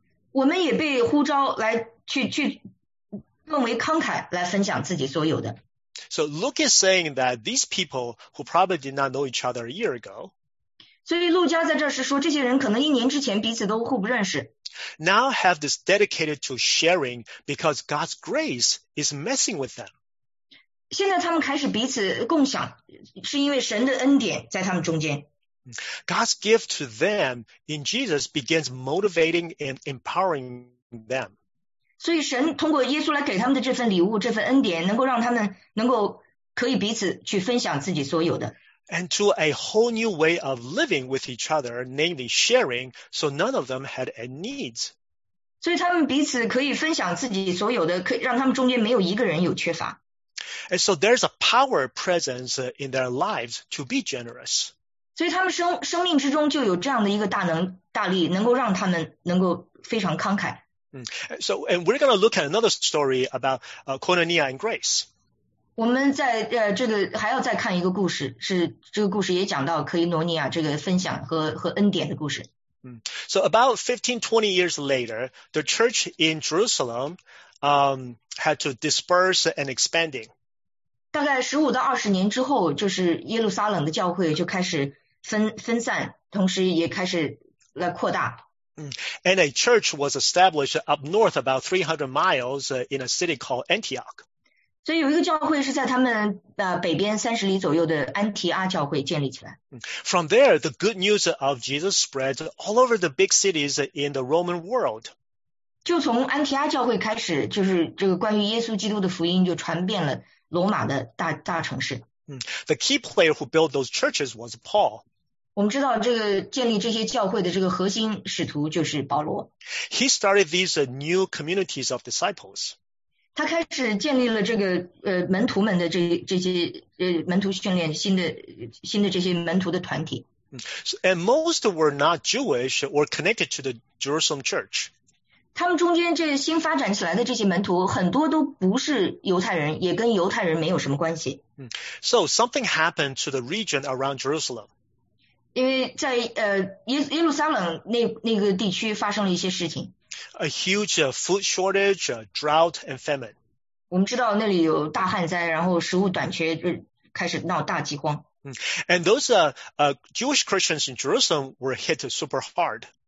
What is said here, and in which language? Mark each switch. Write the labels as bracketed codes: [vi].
[zh] 我们也被呼召来去更为慷慨来分享自己所有的。 [en] So Luke is saying that these people who probably did not know each other a year ago, [zh] 所以路加在这是说这些人可能一年之前彼此都互不认识。 [en] Now have this dedicated to sharing because God's grace is messing with them. [zh] 现在他们开始彼此共享，是因为神的恩典在他们中间。 [en] God's gift to them in Jesus begins motivating and empowering them. [zh] 所以神通过耶稣来给他们的这份礼物这份恩典能够让他们能够可以彼此去分享自己所有的。 [en] And to a whole new way of living with each other, namely sharing, so none of them had any needs. [zh] 所以他们彼此可以分享自己所有的可以让他们中间没有一个人有缺乏。 [en] And so there's a power presence in their lives to be generous. [zh] 所以他们生命之中就有这样的一个大能大力能够让他们能够非常慷慨。 [en] So, and we're going to look at another story about Koinonia and Grace. [zh] 我们在这个还要再看一个故事，是这个故事也讲到可以诺尼亚这个分享和恩典的故事。 [en] So about 15-20 years later, the church in Jerusalem had to disperse and expanding. [zh] 大概15-20年之后，就是耶路撒冷的教会就开始分散，同时也开始来扩大。 [en] And a church was established up north about 300 miles in a city called Antioch. [zh] 所以有一个教会是在他们北边30里左右的安提阿教会建立起来。 [en] From there, the good news of Jesus spread all over the big cities in the Roman world. [zh] 就从安提阿教会开始，就是这个关于耶稣基督的福音就传遍了罗马的大城市。 [en] The key player who built those churches was Paul. [zh] 我们知道这个建立这些教会的这个核心使徒就是保罗。 [en] He started these new communities of disciples. [zh] 他开始建立了这个门徒们的这些门徒训练新的这些门徒的团体。 [en] And most were not Jewish or connected to the Jerusalem church. [zh] 他们中间这新发展起来的这些门徒很多都不是犹太人也跟犹太人没有什么关系。 [en] So something happened to the region around Jerusalem. [zh] 因为在耶路撒冷那个地区发生了一些事情。 [en] A huge food shortage, drought and famine. [zh] 我们知道那里有大旱灾，然后食物短缺，开始闹大饥荒。 [en] And those Jewish Christians in Jerusalem were hit super hard.